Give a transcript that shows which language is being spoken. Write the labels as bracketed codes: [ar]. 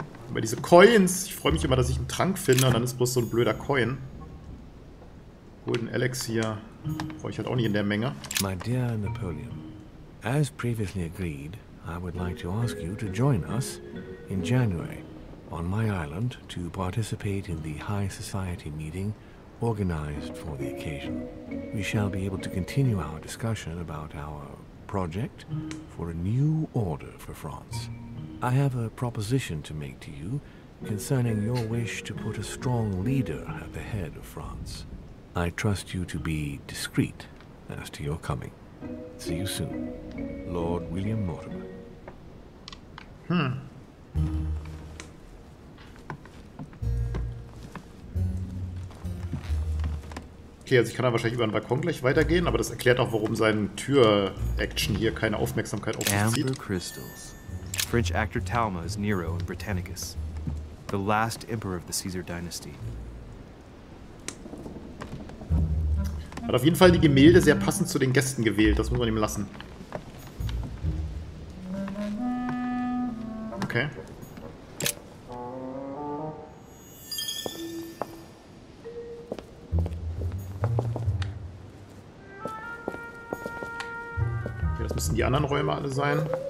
[de] Aber diese Coins, ich freue mich immer, dass ich einen Trank finde und dann ist bloß so ein blöder Coin. Golden Elixir brauche ich halt auch nicht in der Menge. [en] My dear Napoleon, as previously agreed, I would like to ask you to join us in January on my island to participate in the High Society meeting organized for the occasion. We shall be able to continue our discussion about our project for a new order for France. I have a proposition to make to you concerning your wish to put a strong leader at the head of France. I trust you to be discreet as to your coming. See you soon. Lord William Mortimer. [de] Okay, also ich kann da wahrscheinlich über den Balkon gleich weitergehen, aber das erklärt auch, warum seine Tür-Action hier keine Aufmerksamkeit auf sich zieht. [en] Amber Crystals. French actor Talma is Nero in Britannicus. The last emperor of the Caesar dynasty. [de] Hat auf jeden Fall die Gemälde sehr passend zu den Gästen gewählt. Das muss man ihm lassen. Okay. Okay, das müssen die anderen Räume alle sein.